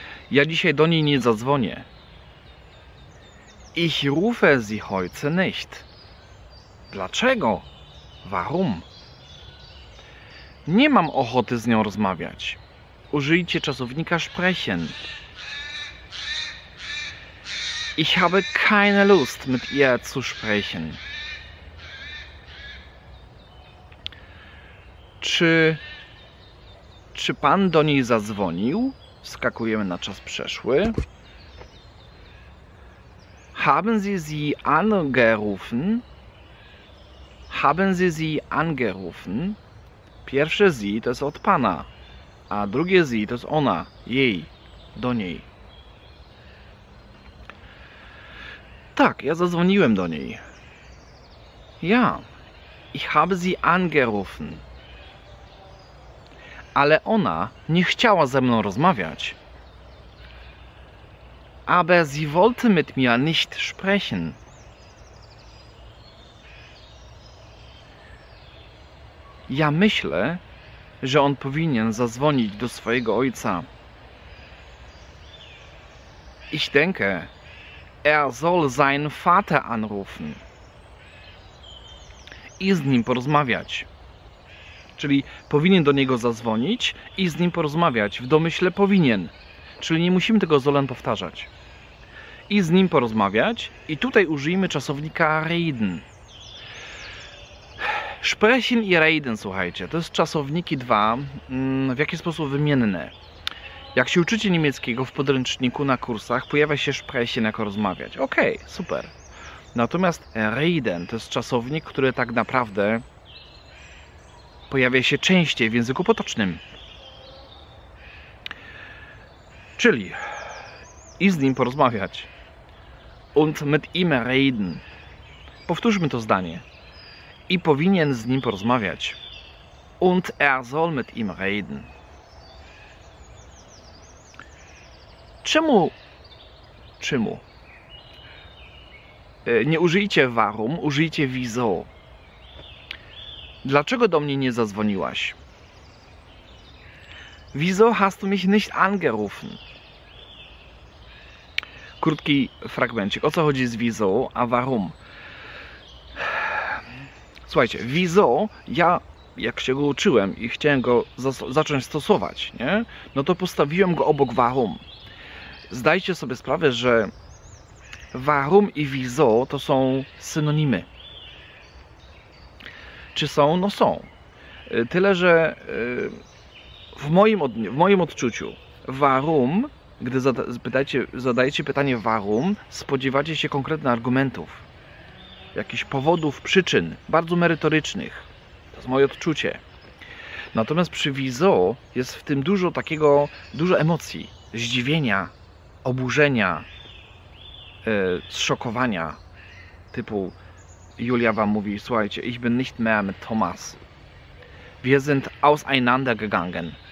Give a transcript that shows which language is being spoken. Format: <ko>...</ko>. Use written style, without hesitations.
<pl>Ja dzisiaj do niej nie zadzwonię.</pl> <de>Ich rufe sie heute nicht.</de> <pl>Dlaczego?</pl> <de>Warum?</de> <pl>Nie mam ochoty z nią rozmawiać. Użyjcie czasownika sprechen.</pl> <de>Ich habe keine Lust mit ihr zu sprechen.</de> <pl>Czy pan do niej zadzwonił? Wskakujemy na czas przeszły.</pl> <de>Haben Sie sie angerufen?</de> <pl>Pierwsze sie to jest od pana, a drugie sie to jest ona, jej, do niej. Tak, ja zadzwoniłem do niej. Ja.</pl> <de>Ich habe sie angerufen.</de> <pl>Ale ona nie chciała ze mną rozmawiać.</pl> <de>Aber sie wollte mit mir nicht sprechen.</de> <pl>Ja myślę, że on powinien zadzwonić do swojego ojca.</pl> <de>Ich denke, er soll seinen Vater anrufen.</de> <pl>I z nim porozmawiać. Czyli powinien do niego zadzwonić i z nim porozmawiać. W domyśle powinien. Czyli nie musimy tego Sollen powtarzać. I z nim porozmawiać. I tutaj użyjmy czasownika reden. Sprechen i reden, słuchajcie. To jest czasowniki dwa, w jaki sposób wymienne. Jak się uczycie niemieckiego w podręczniku na kursach, pojawia się sprechen jako rozmawiać. Okej, okay, super. Natomiast reden to jest czasownik, który tak naprawdę pojawia się częściej w języku potocznym. Czyli i z nim porozmawiać.</pl> <de>Und mit ihm reden.</de> <pl>Powtórzmy to zdanie. I powinien z nim porozmawiać.</pl> <de>Und er soll mit ihm reden.</de> <pl>Czemu? Nie użyjcie warum, użyjcie wieso. Dlaczego do mnie nie zadzwoniłaś?</pl> <de>Wieso hast du mich nicht angerufen?</de> <pl>Krótki fragmencik. O co chodzi z wieso, a warum? Słuchajcie, wieso, ja jak się go uczyłem i chciałem go zacząć stosować, nie? No to postawiłem go obok warum. Zdajcie sobie sprawę, że warum i wieso to są synonimy. Czy są? No są. Tyle, że w moim odczuciu warum, gdy zadajecie pytanie warum, spodziewacie się konkretnych argumentów. Jakichś powodów, przyczyn, bardzo merytorycznych. To jest moje odczucie. Natomiast przy wieso jest w tym dużo emocji, zdziwienia, oburzenia, zszokowania, typu Julia wam mówi, słuchajcie,</pl> <de>ich bin nicht mehr mit Thomas. Wir sind auseinandergegangen.</de>